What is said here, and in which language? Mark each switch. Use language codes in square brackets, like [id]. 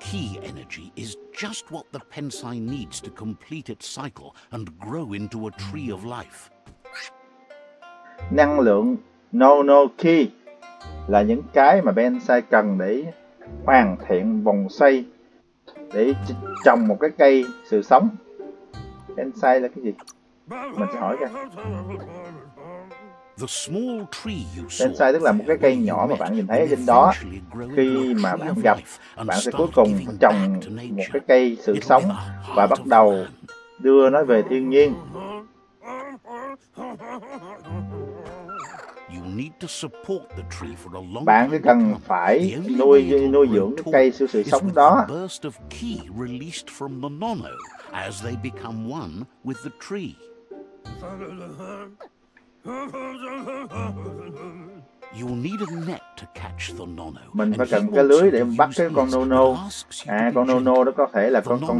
[en] Key energy is just what the pensai needs to complete its cycle and grow into a tree of life. [vi] Năng lượng Nonno Key là những cái mà pensai cần để hoàn thiện vòng xoay, để trồng một cái cây sự sống. Pensai là cái gì? Mình sẽ hỏi ra. [en] The small tree you saw. [vi] Pensai tức là một cái cây nhỏ mà bạn nhìn thấy ở trên đó. Khi mà bạn gặp, bạn sẽ cuối cùng trồng một cái cây sự sống và bắt đầu đưa nó về thiên nhiên. [en] You need to support the tree for a long. [vi] Bạn sẽ cần phải nuôi dưỡng cái cây sự sống đó. [en] Burst of ki released from the Nonno as they become one with the tree. You need a net to catch the Nonno. [vi] Mình phải cần cái lưới để bắt cái con Nonno. À, con Nonno đó có thể là con đom đóm.